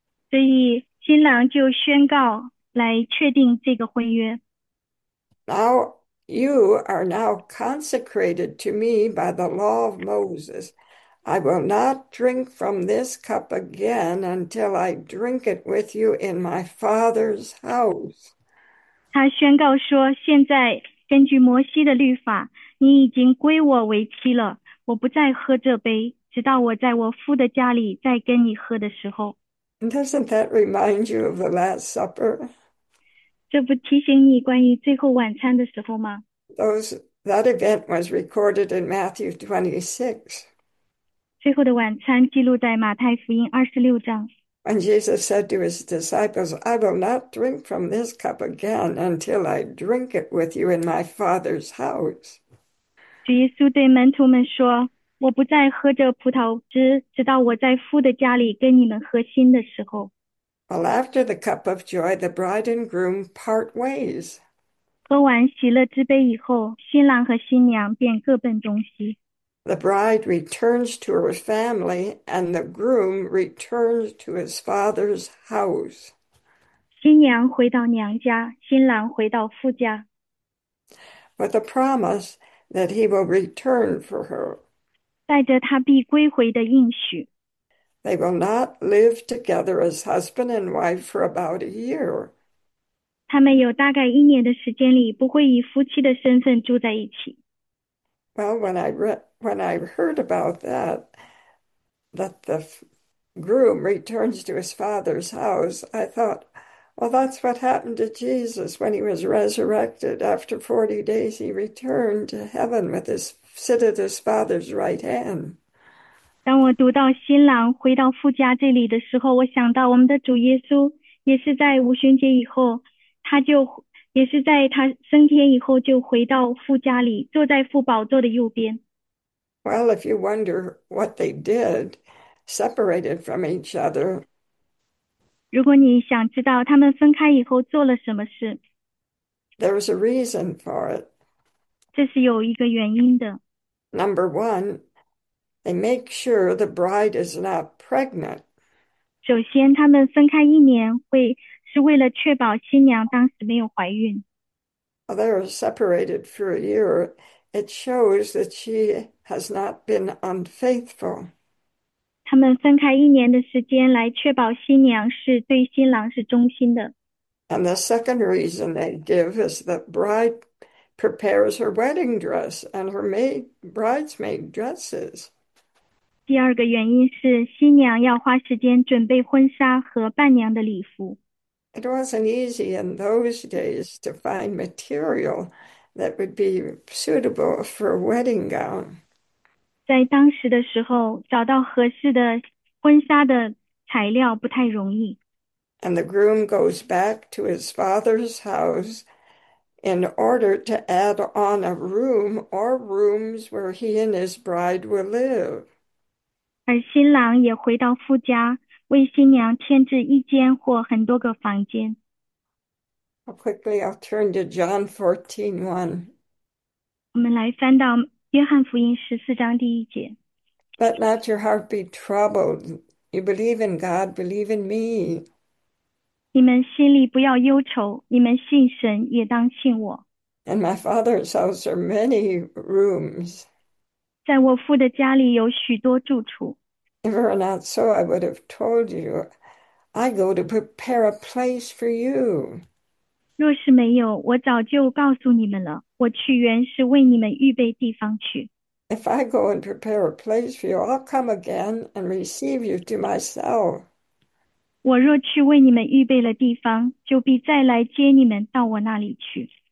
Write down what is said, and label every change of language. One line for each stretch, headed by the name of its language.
Chinese: 所以新郎就宣告来确定这个婚约。
English: Now, you are now consecrated to me by the law of Moses. I will not drink from this cup again until I drink it with you in my father's house.
Chinese: 他宣告说：“现在根据摩西的律法，你已经归我为妻了。我不再喝这杯，直到我在我父的家里再跟你喝的时候。
English: Doesn't that remind you of the Last Supper?
Chinese: ”这不提醒你关于最后晚餐的时候吗？
English: That event was recorded in Matthew 26.
Chinese: 最后的晚餐记录在马太福音26章。
English: When Jesus said to his disciples, I will not drink from this cup again until I drink it with you in my Father's house.
Chinese: 主耶稣对门徒们说：“我不再喝这葡萄汁，直到我在父的家里跟你们喝新的时候。
English: Well, after the cup of joy, the bride and groom part ways.
Chinese: 喝完喜乐之杯以后，新郎和新娘便各奔东西。
English: The bride returns to her family, and the groom returns to his father's house.
Chinese: 新娘回到娘家，新郎回到父家。”
English: With a promise that he will return for her.
Chinese: 带着他必归回的应许。
English: They will not live together as husband and wife for about a year.
Chinese: 他们有大概1年的时间里，不会以夫妻的身份住在一起。
English: Well, when I heard about that the groom returns to his father's house, I thought, well, that's what happened to Jesus when he was resurrected. After 40 days, he returned to heaven with his sit at his father's right hand.
Chinese: 当我读到新郎回到父家这里的时候，我想到我们的主耶稣也是在五旬节以后，他就也是在他升天以后就回到父家里，坐在父宝座的右边。
English: Well, if you wonder what they did, separated from each other.
Chinese: 如果你想知道他们分开以后做了什么事，
English: There is a reason for it.
Chinese: 这是有一个原因的。
English: Number one, they make sure the bride is not pregnant.
Chinese: 首先，他们分开1年是为了确保新娘当时没有怀孕。
English: Although separated for a year, it shows that she has not been unfaithful.
Chinese: 他们分开1年的时间来确保新娘是对新郎是忠心的。
English: And the second reason they give is that bride prepares her wedding dress and her maid bridesmaid dresses.
Chinese: 第二个原因是新娘要花时间准备婚纱和伴娘的礼服。
English: It wasn't easy in those days to find material that would be suitable for a wedding gown.
Chinese: 在当时的时候，找到合适的婚纱的材料不太容易。
English: And the groom goes back to his father's house in order to add on a room or rooms where he and his bride will live.
Chinese: 而新郎也回到夫家，为新娘添置一间或很多个房间。
English: How quickly I'll turn to John 14:1.
Chinese: 我们来翻到约翰福音14章第一节。
English: Let not your heart be troubled. You believe in God, believe in me.
Chinese: 你们心里不要忧愁，你们信神也当信我。
English: And my father's house are many rooms.
Chinese: 在我父的家里有许多住处。
English: If it were not so, I would have told you. I go to prepare a place for you.
Chinese: 若是没有，我早就告诉你们了。我去原是为你们预备地方去。
English: If I go and prepare a place for you, I'll come again and receive you to myself.
Chinese: 我若去为你们预备了地方，就必再来接你们到我那里去。